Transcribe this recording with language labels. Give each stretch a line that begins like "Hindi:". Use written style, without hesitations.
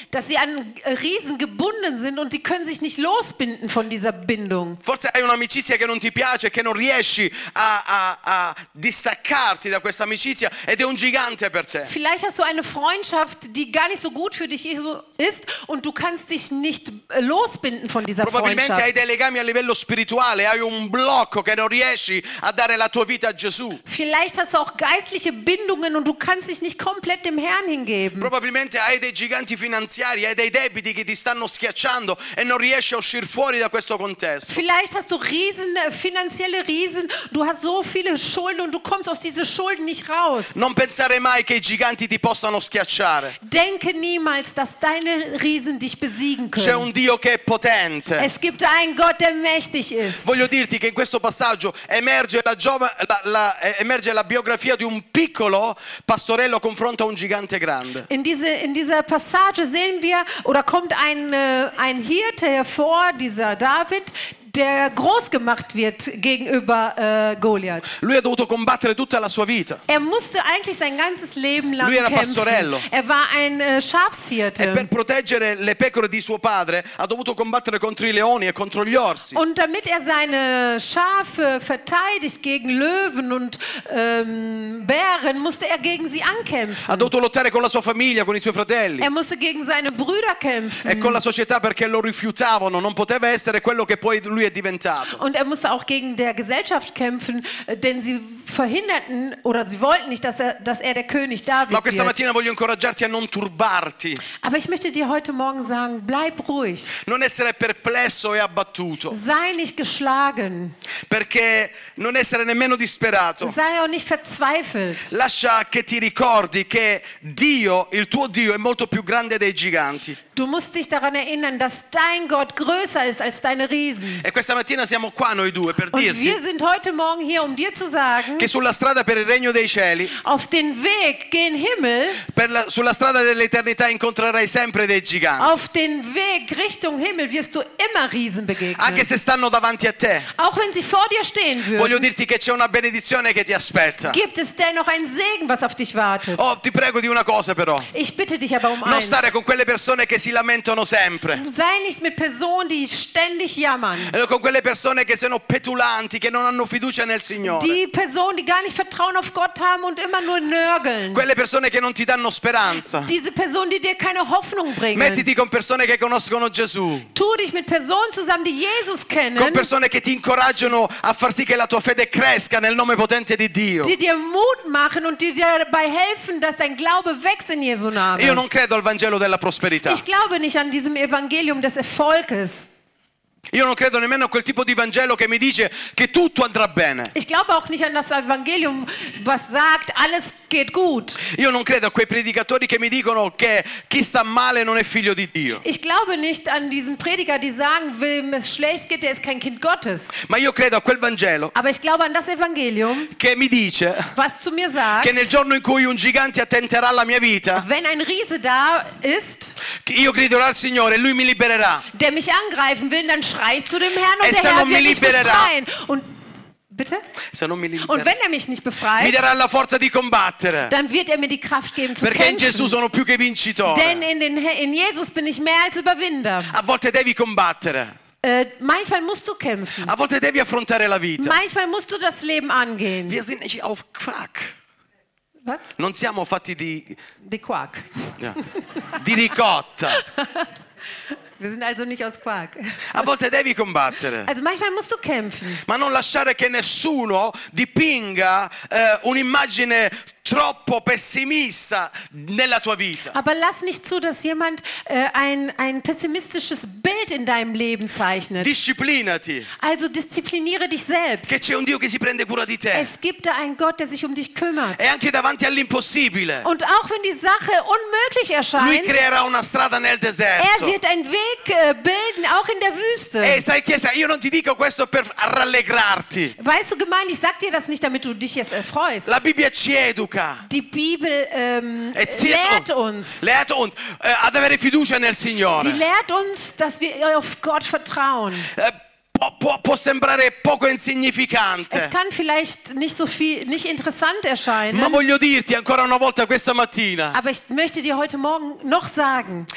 German: Dass sie an Riesen gebunden sind und die können sich nicht losbinden von dieser Bindung.
Italian: Forse hai un'amicizia che non ti piace, che non riesci a distaccarti da questa amicizia ed è un gigante per te.
German: Vielleicht hast du eine Freundschaft, die gar nicht so gut für dich ist und du kannst dich nicht losbinden von dieser Freundschaft.
Italian: Probabilmente hai dei legami a livello spirituale, hai un blocco che non riesci a dare la tua vita a Gesù.
German: Vielleicht hast du auch geistliche Bindungen und du kannst dich nicht komplett dem Herrn hingeben.
Italian: Probabilmente hai dei giganti finanziari, hai dei debiti che ti stanno schiacciando e non riesci a uscire fuori da questo contesto.
German: Vielleicht hast du riesen finanzielle Riesen, du hast so viele Schulden und du kommst aus diesen Schulden nicht raus.
Italian: Non pensare mai che i giganti ti possano schiacciare.
German: Denke niemals, dass deine Riesen dich besiegen können.
Italian: C'è un Dio che è potente.
German: Es gibt einen Gott, der mächtig ist.
Italian: Voglio dirti che in questo passaggio emerge la biografia di un piccolo pastorello confronto a un gigante grande.
German: In dieser Passage sehen wir oder kommt ein Hirte hervor, dieser David, der groß gemacht wird gegenüber Goliath.
Italian: Lui ha dovuto combattere tutta la sua vita.
German: Er musste eigentlich sein ganzes Leben lang
Italian: Lui era
German: kämpfen.
Italian: Pastorello.
German: Er war ein Schafshirte.
Italian: E per proteggere le pecore di suo padre ha dovuto combattere contro i leoni e contro gli orsi.
German: Und damit er seine Schafe verteidigt gegen Löwen und Bären, musste er gegen sie ankämpfen.
Italian: Ha dovuto lottare con la sua famiglia, con i suoi fratelli.
German: Er musste gegen seine Brüder kämpfen.
Italian: E con la società perché lo rifiutavano, non poteva essere quello che poi lui è diventato.
German: Und er musste auch gegen der Gesellschaft kämpfen, denn sie verhinderten oder sie wollten nicht, dass er der König David wird.
Italian: Ma questa mattina voglio incoraggiarti a non turbarti.
German: Aber ich möchte dir heute morgen sagen, bleib ruhig.
Italian: Non essere perplesso e abbattuto.
German: Sei nicht geschlagen.
Italian: Perché non essere nemmeno disperato.
German: Sei auch nicht verzweifelt.
Italian: Lascia che ti ricordi che Dio, il tuo Dio, è molto più grande dei giganti.
German: Du musst dich daran erinnern, dass dein Gott größer ist als deine Riesen.
Italian: E questa mattina siamo qua noi due per
German: und
Italian: dirti.
German: Wir sind heute morgen hier, um dir zu sagen.
Italian: Che sulla strada per il regno dei cieli.
German: Auf den Weg gen Himmel.
Italian: Sulla strada dell'eternità incontrerai sempre dei giganti.
German: Auf den Weg Richtung Himmel wirst du immer Riesen begegnen.
Italian: Anche se stanno davanti a te.
German: Auch wenn sie vor dir stehen würden.
Italian: Voglio dirti che c'è una benedizione che ti aspetta.
German: Gibt es denn noch einen Segen, was auf dich wartet?
Italian: Oh, ti prego di una cosa però.
German: Ich bitte dich aber um
Italian: non
German: eins.
Italian: Stare con quelle persone che si lamentano sempre.
German: Sei nicht mit Personen, die ständig jammern.
Italian: Allora, con quelle persone che sono petulanti, che non hanno fiducia nel Signore.
German: Die Personen, die gar nicht Vertrauen auf Gott haben und immer nur nörgeln.
Italian: Quelle persone che non ti danno speranza.
German: Diese Personen, die dir keine Hoffnung bringen.
Italian: Mettiti con persone che conoscono Gesù.
German: Tu dich mit Personen zusammen, die Jesus kennen.
Italian: Con persone che ti incoraggiano a far sì che la tua fede cresca nel nome potente di Dio.
German: Die dir Mut machen und die dir dabei helfen, dass dein Glaube wächst in Jesu Namen.
Italian: Io non credo al Vangelo della prosperità.
German: Ich glaube nicht an diesem Evangelium des Erfolges.
Italian: Io non credo nemmeno a quel tipo di Vangelo che mi dice che tutto andrà bene.
German: Ich glaube auch nicht an das Evangelium, was sagt, alles geht gut.
Italian: Io non credo a quei predicatori che mi dicono che chi sta male non è figlio di Dio.
German: Ich glaube nicht an diesen Prediger, die sagen, wem es schlecht geht, der ist kein Kind Gottes.
Italian: Ma io credo a quel Vangelo.
German: Aber ich glaube an das Evangelium.
Italian: Che mi dice.
German: Was zu mir sagt.
Italian: Che nel giorno in cui un gigante attenterà la mia vita.
German: Wenn ein Riese da ist.
Italian: Io griderò al Signore, lui mi libererà.
German: Der mich angreifen will, dann schrei zu dem Herrn und der Herr wird mich befreien. Und bitte?
Italian: Se non mi libera,
German: und wenn er mich nicht befreit,
Italian: mi darà la forza di combattere,
German: dann wird er mir die Kraft geben zu
Italian: perché
German: kämpfen.
Italian: In Gesù sono più che vincitore.
German: Denn in Jesus bin ich mehr als Überwinder.
Italian: A volte devi combattere.
German: Manchmal musst du kämpfen.
Italian: A volte devi affrontare la vita.
German: Manchmal musst du das Leben angehen. Wir sind nicht auf Quark. Was?
Italian: Non siamo fatti di... Di Quark.
German: Ja.
Italian: Di ricotta.
German: Wir sind also nicht aus Quark.
Italian: A volte devi combattere.
German: Also manchmal musst du kämpfen.
Italian: Ma non lasciare che nessuno dipinga un'immagine troppo pessimista nella tua vita.
German: Aber lass nicht zu, dass jemand ein pessimistisches Bild in deinem Leben zeichnet.
Italian: Disciplinati.
German: Also diszipliniere dich selbst.
Italian: Che c'è un Dio che si prende cura di te.
German: Es gibt da einen Gott, der sich um dich kümmert.
Italian: E anche davanti all'impossibile.
German: Und auch wenn die Sache unmöglich erscheint.
Italian: Lui creerà una strada nel deserto.
German: Er wird einen Weg bilden, auch in der Wüste.
Italian: E sai chiesa, io non ti dico questo per rallegrarti.
German: Weißt du, Gemeinde, ich sag dir das nicht, damit du dich jetzt erfreust.
Italian: La Bibbia ci educa.
German: Die Bibel lehrt uns
Italian: ad avere fiducia nel Signore.
German: Die lehrt uns, dass wir auf Gott vertrauen.
Italian: Può sembrare poco insignificante.
German: Es kann vielleicht nicht so viel, nicht interessant erscheinen.
Italian: Ma voglio dirti ancora una volta questa mattina.
German: Aber ich möchte dir heute Morgen noch sagen.